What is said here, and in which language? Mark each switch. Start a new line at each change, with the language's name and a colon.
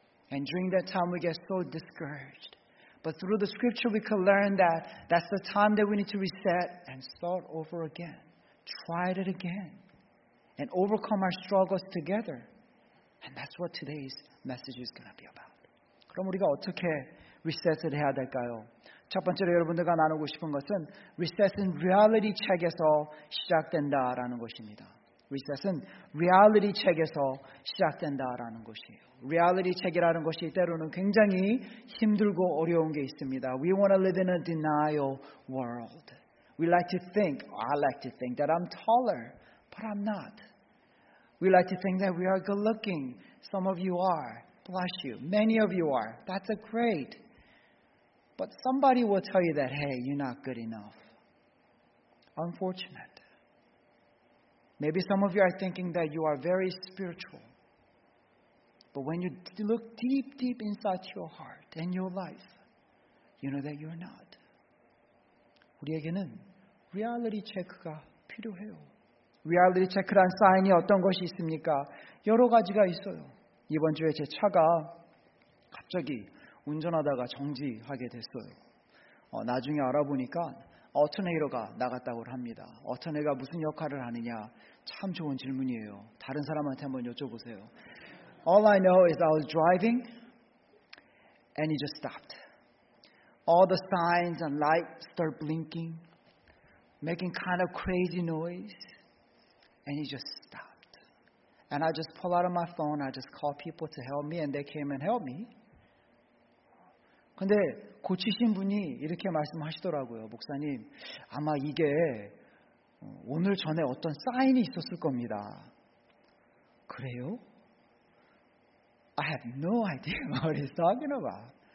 English: And during that time we get so discouraged. But through the scripture we can learn that that's the time that we need to reset and start over again. Try it again. And overcome our struggles together. And that's what today's message is going to be about.
Korean: 그럼 우리가 어떻게 리셋을 해야 될까요? 첫 번째로 여러분들과 나누고 싶은 것은 리셋은 리얼리티 체크에서 시작된다라는 것입니다. 리셋은 리얼리티 체크에서 시작된다라는 것이에요. 리얼리티 체크라는 것이 때로는 굉장히 힘들고 어려운 게 있습니다.
English: We want to live in a denial world. We like to think, I like to think that I'm taller, but I'm not. We like to think that we are good looking. Some of you are. Bless you. Many of you are. That's a great. But somebody will tell you that, hey, you're not good enough. Unfortunate. Maybe some of you are thinking that you are very spiritual. But when you look deep, deep inside your heart and your life, you know that you're not.
Korean: 우리에게는 reality check가 필요해요. Reality check란 사인이 어떤 것이 있습니까? 여러 가지가 있어요. 이번 주에 제 차가 갑자기 운전하다가 정지하게 됐어요. 나중에 알아보니까 어터네이러가 나갔다고 합니다. 어터네이가 무슨 역할을 하느냐? 참 좋은 질문이에요. 다른 사람한테 한번 여쭤보세요.
English: All I know is I was driving and he just stopped. All the signs and lights start blinking, making kind of crazy noise, and he just stopped. And I just pull out of my phone, I just call people to help me, and they came and helped me.
Korean: 근데 고치신 분이 이렇게 말씀하시더라고요. 목사님, 아마 이게 오늘 전에 어떤 사인이 있었을 겁니다. 그래요?
English: I have no idea what he's talking about.